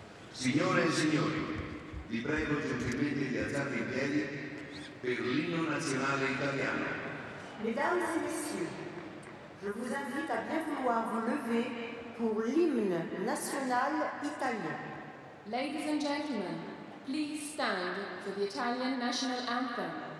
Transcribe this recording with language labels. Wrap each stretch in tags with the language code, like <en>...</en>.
<it>Signore e signori, vi prego gentilmente di alzarvi in piedi per l'inno nazionale italiano.</it> <fr>Mesdames et messieurs, je vous invite à bien vouloir vous lever pour l'hymne national italien.</fr> <en>Ladies and gentlemen, please stand for the Italian national anthem.</en>